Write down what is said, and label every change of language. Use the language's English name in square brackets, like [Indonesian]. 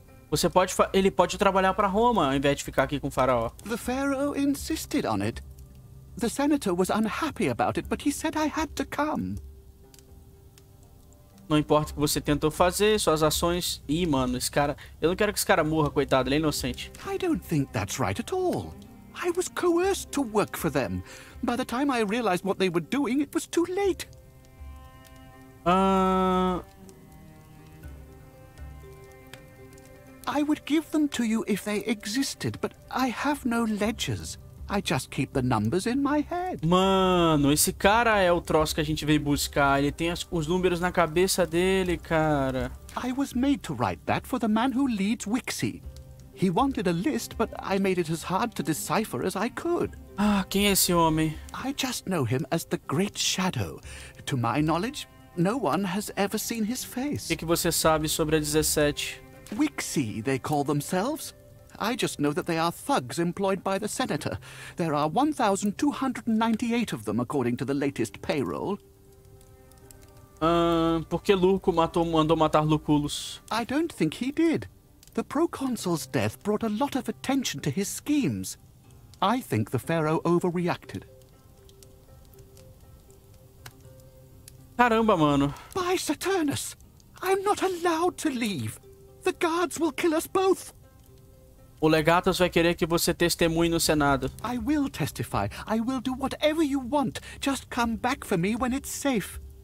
[Portuguese] Você pode ele pode trabalhar para Roma ao invés de ficar aqui com o faraó. [English] The Pharaoh insisted on it. The senator was unhappy about it, but he said I had to come. [Portuguese] Não importa o que você tentou fazer, suas ações. Ih, mano, esse cara, eu não quero que esse cara morra, coitado, ele é inocente. [English] I don't think that's right at all. I was coerced to work for them. By the time I realized what they were doing, it was too late. I would give them to you if they existed, but I have no ledgers. I just keep the numbers in my head. [Portuguese] Mano, esse cara é o troço que a gente veio buscar. Ele tem os números na cabeça dele, cara. [English] I was made to write that for the man who leads Wixie. He wanted a list, but I made it as hard to decipher as I could. [Portuguese] Ah, quem é esse homem? [English] I just know him as the Great Shadow. To my knowledge, no one has ever seen his face. [Portuguese] O que você sabe sobre a 17? [English] Wixie, they call themselves. I just know that they are thugs employed by the senator. There are 1,298 of them, according to the latest payroll. [Portuguese] Por que Luco mandou matar Lucullus? [English] I don't think he did. The proconsul's death brought a lot of attention to his schemes. I think the Pharaoh overreacted. [Portuguese] Caramba, mano. [English] By Saturnus! I'm not allowed to leave! The guards will kill us both. [Portuguese] O Legatus vai querer que você testemunhe no Senado. [English] I will testify. I will do whatever you want. Just come back for me when it's safe.